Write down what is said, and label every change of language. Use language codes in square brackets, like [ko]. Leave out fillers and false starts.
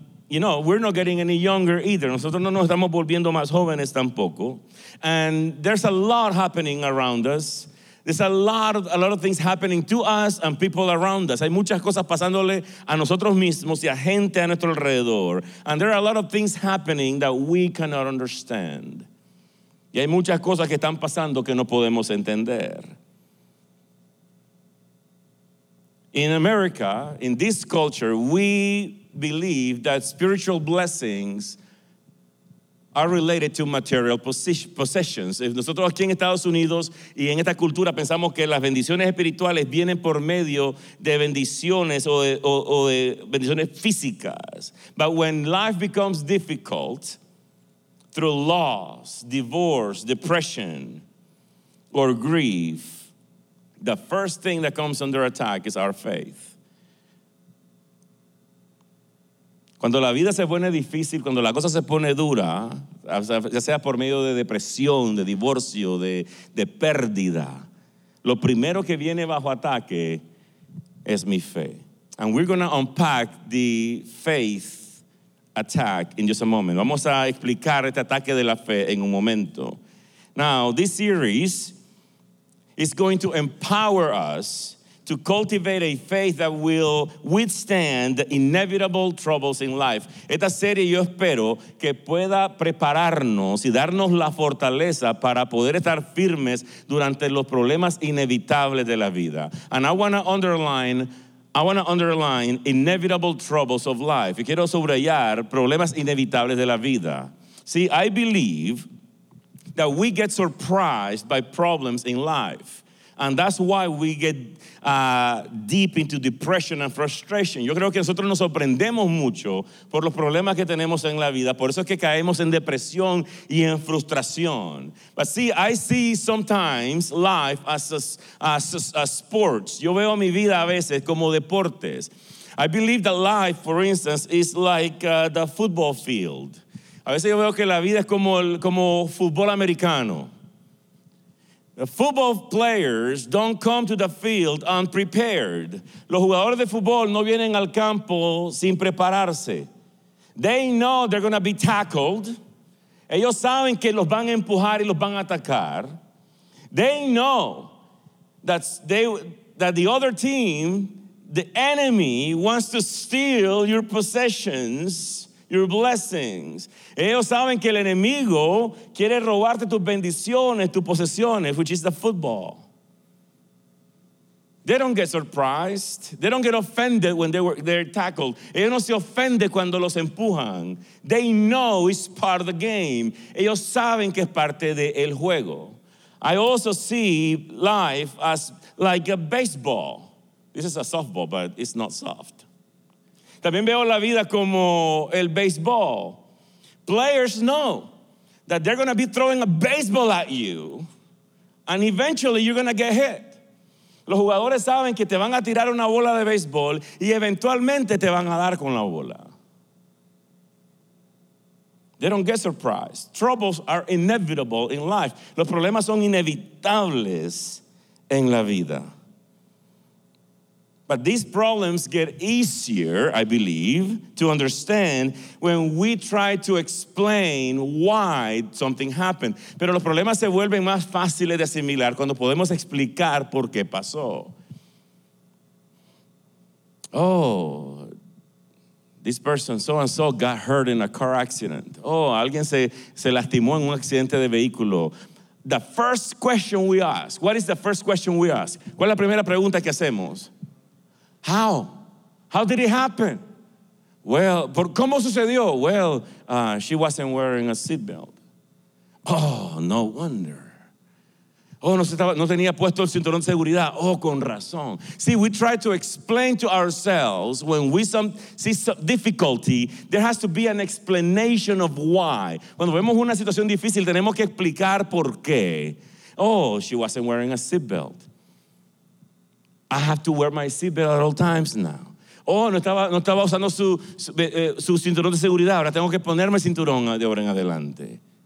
[en] You know, we're not getting any younger either. [es] Nosotros no nos estamos volviendo más jóvenes tampoco. [en] And there's a lot happening around us. There's a lot of things happening to us and people around us. [es] Hay muchas cosas pasándole a nosotros mismos y a gente a nuestro alrededor. [en] And there are a lot of things happening that we cannot understand. [es] Y hay muchas cosas que están pasando que no podemos entender. [en] In America, in this culture, we believe that spiritual blessings are related to material possessions. [es] Nosotros aquí en Estados Unidos y en esta cultura pensamos que las bendiciones espirituales vienen por medio de bendiciones o de bendiciones físicas. [en] But when life becomes difficult through loss, divorce, depression, or grief, the first thing that comes under attack is our faith. [es] Cuando la vida se pone difícil, cuando la cosa se pone dura, ya sea por medio de depresión, de divorcio, de pérdida, lo primero que viene bajo ataque es mi fe. [en] And we're going to unpack the faith attack in just a moment. [es] Vamos a explicar este ataque de la fe en un momento. [en] Now, this series is going to empower us to cultivate a faith that will withstand the inevitable troubles in life. [es] Esta serie yo espero que pueda prepararnos y darnos la fortaleza para poder estar firmes durante los problemas inevitables de la vida. [en] And I want to underline inevitable troubles of life. [es] Y quiero subrayar problemas inevitables de la vida. [en] See, I believe that we get surprised by problems in life. And that's why we get deep into depression and frustration. [es] Yo creo que nosotros nos sorprendemos mucho por los problemas que tenemos en la vida. Por eso es que caemos en depresión y en frustración. [en] But see, I see sometimes life as sports. [es] Yo veo mi vida a veces como deportes. [en] I believe that life, for instance, is like the football field. [es] A veces yo veo que la vida es como fútbol americano. [en] Football players don't come to the field unprepared. [es] Los jugadores de fútbol no vienen al campo sin prepararse. [en] They know they're going to be tackled. [es] Ellos saben que los van a empujar y los van a atacar. [en] They know that the other team, the enemy, wants to steal your possessions, your blessings. [es] Ellos saben que el enemigo quiere robarte tus bendiciones, tus posesiones, [en] which is the football. They don't get surprised. They don't get offended when they're tackled. [es] Ellos no se ofenden cuando los empujan. [en] They know it's part of the game. [es] Ellos saben que es parte del juego. [en] I also see life as like a baseball. This is a softball, but it's not soft. [es] También veo la vida como el baseball. [en] Players know that they're going to be throwing a baseball at you and eventually you're going to get hit. [es] Los jugadores saben que te van a tirar una bola de baseball y eventualmente te van a dar con la bola. [en] They don't get surprised. Troubles are inevitable in life. [es] Los problemas son inevitables en la vida. [en] But these problems get easier, I believe, to understand when we try to explain why something happened. [es] Pero los problemas se vuelven más fáciles de asimilar cuando podemos explicar por qué pasó. [en] Oh, this person so-and-so got hurt in a car accident. [es] Oh, alguien se lastimó en un accidente de vehículo. [en] The first question we ask, what is the first question we ask? [es] ¿Cuál es la primera pregunta que hacemos? [en] How? How did it happen? Well, [es] ¿cómo sucedió? [en] Well, she wasn't wearing a seatbelt. Oh, no wonder. [es] Oh, no tenía puesto el cinturón de seguridad. Oh, con razón. [en] See, we try to explain to ourselves when we see some difficulty, there has to be an explanation of why. [es] Cuando vemos una situación difícil, tenemos que explicar por qué. [en] Oh, she wasn't wearing a seatbelt. I have to wear my seatbelt at all times now. [es] Oh, no estaba usando su cinturón de seguridad. Ahora tengo que ponerme cinturón de ahora en adelante.